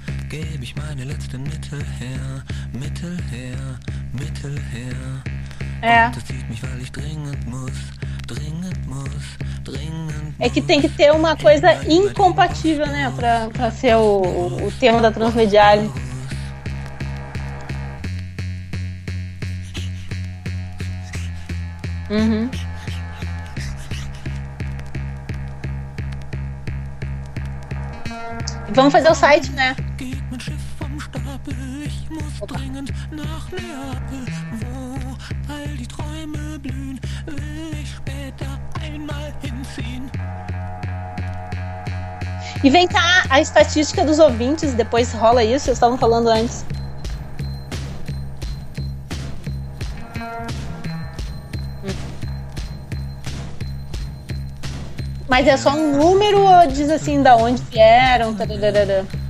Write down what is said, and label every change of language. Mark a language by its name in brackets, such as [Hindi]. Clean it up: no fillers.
[German] Gebe ich meine letzten Mittel her, Mittel her, Mittel her. Das zieht mich, weil ich dringend muss, dringend muss, dringend muss. [Portuguese] É que tem que ter uma coisa incompatível, né, pra ser o tema da Transmediale. Vamos fazer o site, né? [German] Dringend nach Neapel, wo all die Träume blühen, will ich später einmal hinziehen. [Portuguese] E vem cá, a estatística dos ouvintes, depois rola isso, vocês estavam falando antes. Mas é só um número ou diz assim, da onde vieram, tararara.